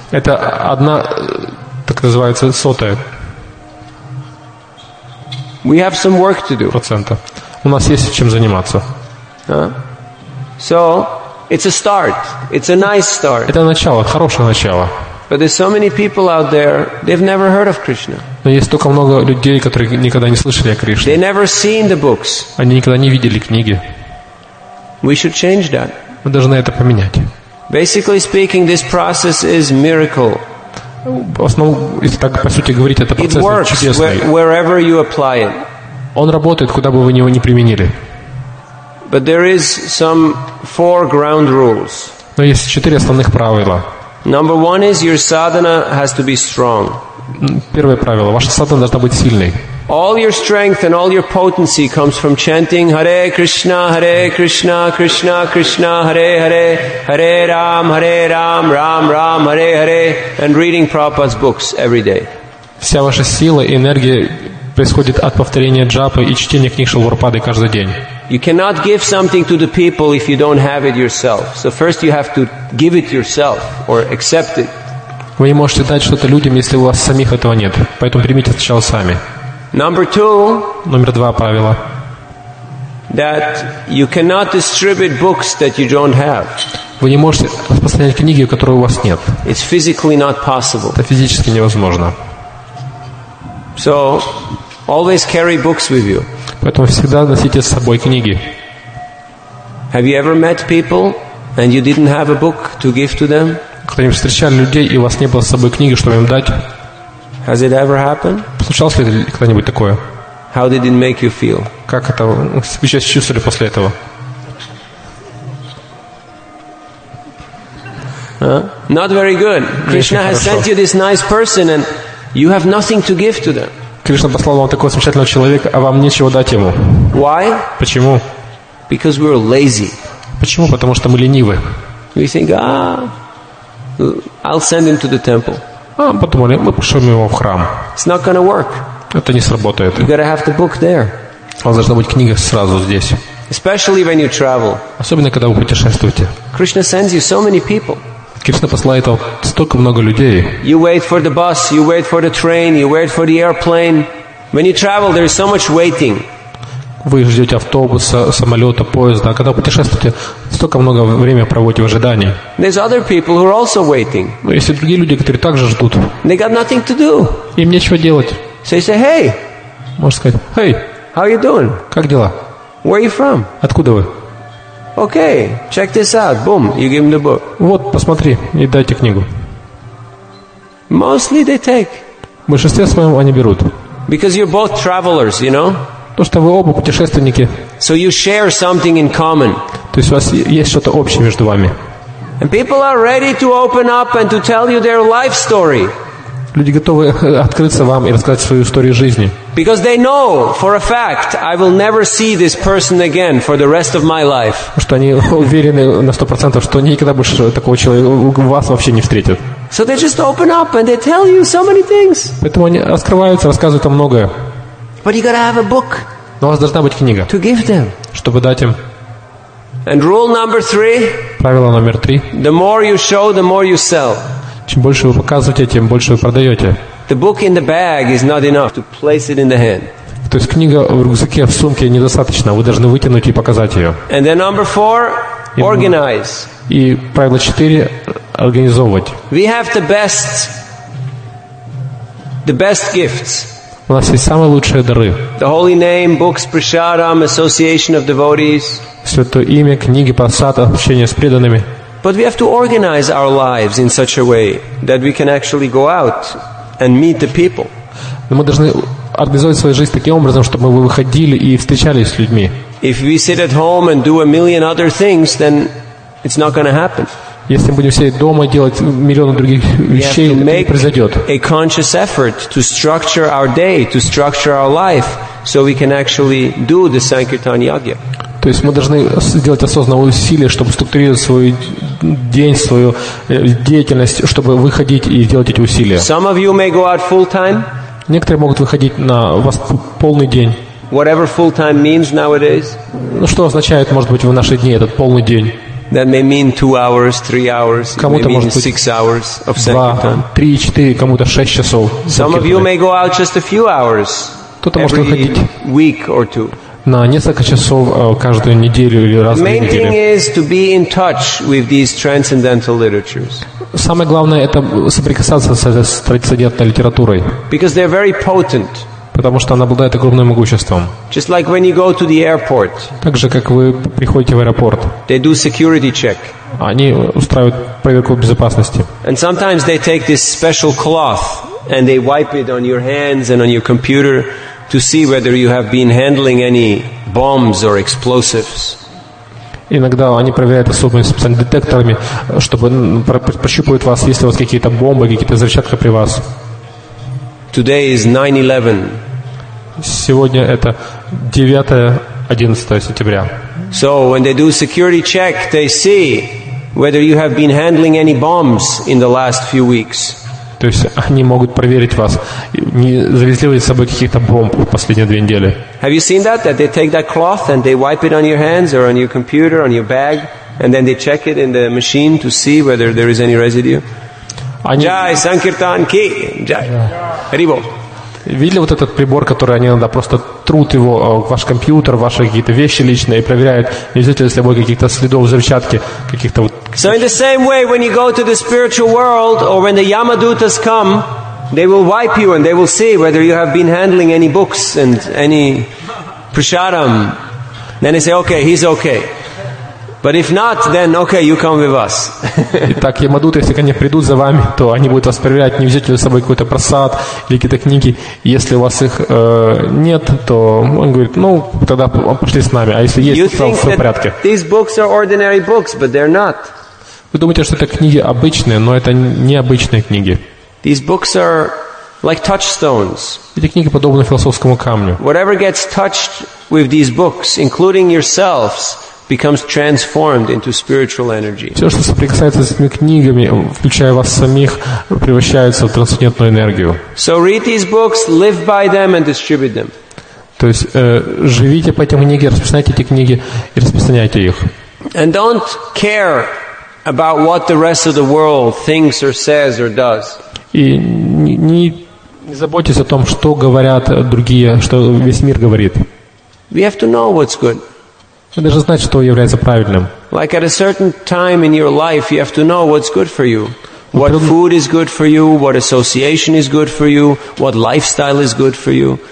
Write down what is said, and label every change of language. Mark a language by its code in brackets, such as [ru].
[ru] Это одна, так называется, сотая. [en] We have some work to do. [ru] Процента. У нас есть чем заниматься. [en] So, it's a start. It's a nice start. [ru] Это начало, хорошее начало. [en] But there's so many people out there, they've never heard of Krishna. [ru] Но есть столько много людей, которые никогда не слышали о Кришне. [en] They never seen the books. [ru] Они никогда не видели книги. [en] We should change that. [ru] Мы должны это поменять. [en] Basically speaking, this process is miracle. [ru] Если так по сути говорить, это процесс чудесный. [en] It works wherever you apply it. [ru] Он работает, куда бы вы его ни применили. [en] But there is some four ground rules. [ru] Но есть четыре основных правила. [en] Number one is your sadhana has to be strong. [ru] Первое правило. Ваша садхана должна быть сильной. [en] All your strength and all your potency comes from chanting Hare Krishna, Hare Krishna, Krishna Krishna, Hare Hare, Hare Ram, Hare Ram, Ram Ram, Hare Hare, and reading Prabhupada's books every day. [ru] Вся ваша сила и энергия происходит от повторения джапы и чтения книг Шилпрапады каждый день. [en] You cannot give something to the people if you don't have it yourself. So first you have to give it yourself or accept it. [ru] Вы не можете дать что-то людям, если у вас самих этого нет. Поэтому примите сначала сами. [en] Number two. [ru] Номер два правила. [en] That you cannot distribute books that you don't have. [ru] Вы не можете распространять книги, которые у вас нет. [en] It's physically not possible. [ru] Это физически невозможно. [en] So always carry books with you. [ru] Поэтому всегда носите с собой книги. [en] Have you ever met people and you didn't have a book to give to them? [ru] Когда-нибудь встречали людей и у вас не было с собой книги, чтобы им дать? [en] Has it ever happened? [ru] Случалось ли когда-нибудь такое? [en] How did it make you feel? [ru] Как это вы себя чувствовали после этого? [en] Not very good. Krishna has sent you this nice person and you have nothing to give to them. [ru] Кришна послал вам такого замечательного человека, а вам нечего дать ему. [en] Why? [ru] Почему? [en] Because we're lazy. [ru] Почему? Потому что мы ленивы. [en] We think, I'll send him to the temple. [ru] А, подумали, мы пошлем его в храм. [en] It's not gonna work. [ru] Это не сработает. [en] You gotta have the book there. [ru] У вас должна быть книга сразу здесь. [en] Especially when you travel. [ru] Особенно, когда вы путешествуете. [en] Krishna sends you so many people. [ru] Кришна посылает вам столько много людей. [en] You wait for the bus, you wait for the train, you wait for the airplane. When you travel, there is so much waiting. [ru] Вы ждете автобуса, самолета, поезда. А когда путешествуете, столько много времени проводите в ожидании. [en] There's other people who are also waiting. [ru] Но есть и другие люди, которые также ждут. [en] They got nothing to do. [ru] Им нечего делать. [en] So you say, hey. [ru] Можно сказать, hey. [en] How you doing? [ru] Как дела? [en] Where are you from? [ru] Откуда вы? [en] Okay, check this out. Boom, you give him the book. [ru] Вот, посмотри и дайте книгу. [en] Mostly they take. [ru] В большинстве своем они берут. [en] Because you're both travelers, you know? [ru] Потому что вы оба путешественники. [en] So you share something in common. [ru] То есть у вас есть что-то общее между вами. [en] And people are ready to open up and to tell you their life story. [ru] Люди готовы открыться вам и рассказать свою историю жизни. [en] Because they know for a fact I will never see this person again for the rest of my life. [ru] Потому что они уверены на 100%, что никогда больше такого человека вас вообще не встретят. [en] So they just open up and they tell you so many things. [ru] Поэтому они раскрываются, рассказывают вам многое. [en] But you gotta have a book. [ru] Но у вас должна быть книга. [en] To give them. [ru] Чтобы дать им. [en] And rule number three. [ru] Правило номер три. [en] The more you show, the more you sell. [ru] Чем больше вы показываете, тем больше вы продаете. [en] The book in the bag is not enough to place it in the hand. [ru] То есть книга в рюкзаке, в сумке недостаточно. Вы должны вытянуть и показать ее. [en] And then number four, organize. [ru] И правило четыре, организовывать. [en] We have the best gifts. [ru] У нас есть самые лучшие дары. [en] The holy name, books, prasadam, association of devotees. [ru] Святое имя, книги, прасад, общение с преданными. [en] But we have to organize our lives in such a way that we can actually go out and meet the people. [ru] Мы должны организовать свою жизнь таким образом, чтобы мы выходили и встречались с людьми. [en] If we sit at home and do a million other things, then it's not going to happen. [ru] Если мы будем сидеть дома и делать миллионы других вещей, это не произойдет. [en] A conscious effort to structure our day, to structure our life, so we can actually do the Sankirtan Yagya. [ru] То есть мы должны сделать осознанное усилие, чтобы структурировать свой день, свою деятельность, чтобы выходить и делать эти усилия. [en] Some of you may go out full time. [ru] Некоторые могут выходить на вас полный день. [en] Whatever full time means nowadays. [ru] Ну что означает, может быть, в наши дни этот полный день? [en] That may mean 2 hours, 3 hours. [ru] Кому-то может быть [en] 6 hours of sankirtan. [ru] 3-4, кому-то 6 часов. [en] Some of you may go out just a few hours. [ru] Кто-то может выходить [en] week or two. [ru] На несколько часов каждую неделю или раз в неделю. [en] Main thing is to be in touch with these transcendental literatures. [ru] Самое главное это соприкасаться с этой трансцендентной литературой. [en] Because they're very potent. [ru] Потому что она обладает огромным могуществом. [en] Just like when you go to the airport. [ru] Так же, как вы приходите в аэропорт. [en] They do security check. [ru] Они устраивают проверку безопасности. [en] And sometimes they take this special cloth and they wipe it on your hands and on your computer to see whether you have been handling any bombs or explosives. [ru] Иногда они проверяют особыми специальными детекторами, чтобы прощупывают вас, есть ли у вас какие-то бомбы, какие-то взрывчатка при вас. [en] Today is 9/11. [ru] Сегодня это 9-11 сентября. [en] So when they do security check, they see whether you have been handling any bombs in the last few weeks. [ru] То есть они могут проверить вас, не завезли ли с собой каких-то бомб в последние 2 недели. [en] Have you seen that? That they take that cloth and they wipe it on your hands or on your computer, on your bag, and then they check it in the machine to see whether there is any residue. [hi] Jai Sankirtan Ki. Jai. Haribol. [ru] Видели вот этот прибор, который они иногда просто трут его, ваш компьютер, ваши какие-то вещи личные, и проверяют, не взяли ли с собой каких-то следов взрывчатки, каких-то вот... [en] So in the same way, when you go to the spiritual world, or when the Yamadutas come, they will wipe you and they will see whether you have been handling any books and any prasadam. Then they say, okay, he's okay. But if not, then okay, you come with us. [ru] Итак, Ямадуты, если они придут за вами, то они будут вас проверять, не взять ли с собой какой-то просад или какие-то книги. Если у вас их нет, то он говорит, ну, тогда пошли с нами. А если есть, то все в порядке. [en] These books are ordinary books, but they're not. [ru] Вы думаете, что это книги обычные, но это не обычные книги. [en] These books are like touchstones. [ru] Эти книги подобны философскому камню. [en] Whatever gets touched with these books, including yourselves, becomes transformed into spiritual energy. [ru] Все, что соприкасается с этими книгами, включая вас самих, превращается в трансцендентную энергию. [en] So read these books, live by them and distribute them. [ru] То есть живите по этим книгам, распространяйте эти книги и распространяйте их. [en] And don't care about what the rest of the world thinks or says or does. [ru] И не заботьтесь о том, что говорят другие, что весь мир говорит. [en] We have to know what's good. [ru] Вы должны знать, что является правильным. [en] Like at a certain time in your life, you have to know what's good for you. What food is good for you, what association is good for you, what lifestyle is good for you.